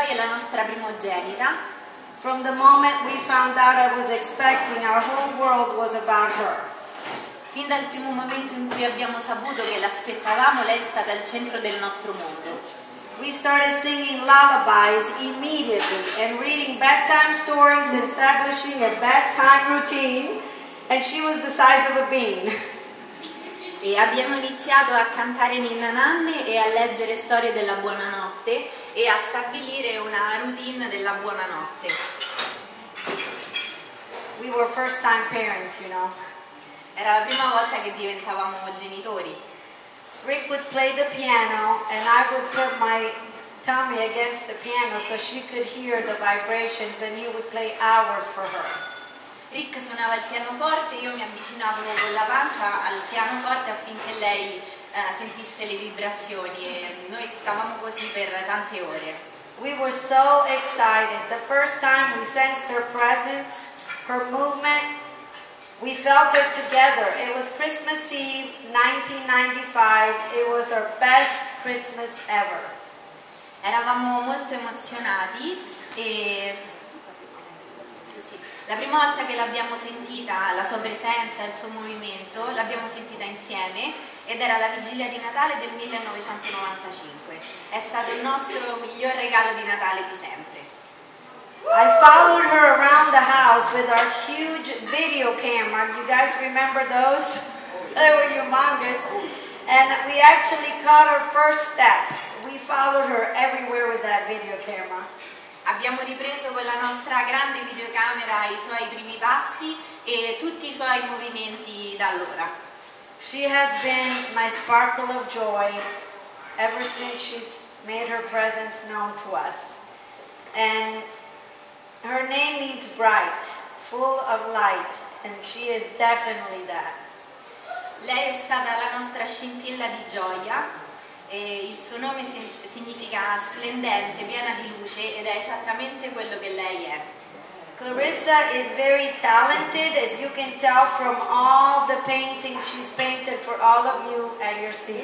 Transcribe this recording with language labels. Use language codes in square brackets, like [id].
[en] From the moment we found out I was expecting, our whole world was about her. [it] Fin dal primo momento in cui abbiamo saputo che l'aspettavamo, lei è stata al centro del nostro mondo. [en] We started singing lullabies immediately and reading bedtime stories and establishing a bedtime routine, and she was the size of a bean. [it] E abbiamo iniziato a cantare ninna nanne e a leggere storie della buonanotte e a stabilire una routine della buonanotte. [en] We were first time parents, you know. [it] Era la prima volta che diventavamo genitori. [en] Rick would play the piano and I would put my tummy against the piano so she could hear the vibrations and he would play hours for her. [it] Rick suonava il pianoforte e io mi avvicinavo con la pancia al pianoforte affinché lei sentisse le vibrazioni e noi stavamo così per tante ore. [en] We were so excited. The first time we sensed her presence, her movement, we felt her together. It was Christmas Eve 1995. It was our best Christmas ever. [it] Eravamo molto emozionati e la prima volta che l'abbiamo sentita, la sua presenza, il suo movimento, l'abbiamo sentita insieme ed era la vigilia di Natale del 1995. È stato il nostro miglior regalo di Natale di sempre. [en] I followed her around the house with our huge video camera. You guys remember those? They were humongous. And we actually caught her first steps. We followed her everywhere with that video camera. [it] Abbiamo ripreso con la nostra grande videocamera i suoi primi passi e tutti i suoi movimenti da allora. [en] She has been my sparkle of joy ever since she's made her presence known to us. And her name means bright, full of light, and she is definitely that. [it] Lei è stata la nostra scintilla di gioia. E il suo nome significa splendente, piena di luce, ed è esattamente quello che lei è. [en] Clarissa is very talented, as you can tell from all the paintings she's painted for all of you at your seats.